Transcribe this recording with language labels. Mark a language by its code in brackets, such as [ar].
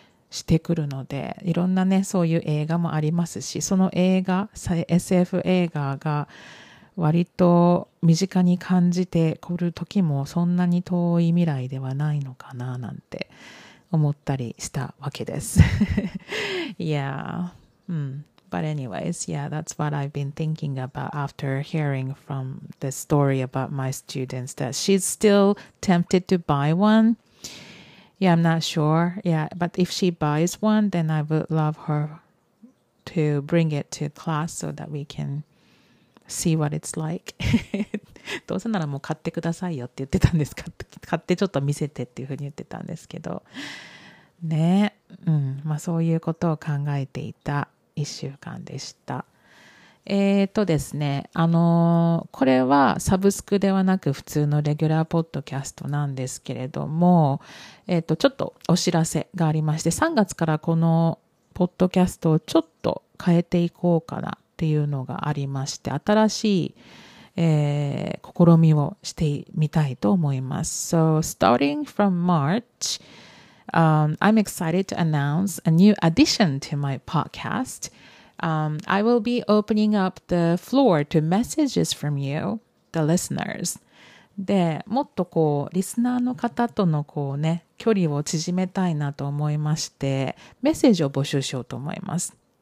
[ja] してくるので、いろんなねそういう映画もありますし、その映画 SF 映画が割と身近に感じてくる時もそんなに遠い未来ではないのかななんて思ったりしたわけです。 [en] Yeah. But anyways, yeah, that's what I've been thinking about after hearing from the story about my students that she's still tempted to buy one. Yeah, I'm not sure. Yeah, but if she buys one, then I would love her to bring it to class so that we can see what it's like. [ja] どうせならもう買ってくださいよって言ってたんです。買ってちょっと見せてっていうふうに言ってたんですけど。ね。うん。まあそういうことを考えていた一週間でした。ですね。これはサブスクではなく普通のレギュラーポッドキャストなんですけれども、ちょっとお知らせがありまして、3月からこのポッドキャストをちょっと変えていこうかな。っていうのがありまして、新しい、試みをしてみたいと思います。 [en] So starting from March、I'm excited to announce a new addition to my podcast、I will be opening up the floor to messages from you, the listeners. [ja] で、もっとこうリスナーの方とのこうね距離を縮めたいなと思いまして、メッセージを募集しようと思います。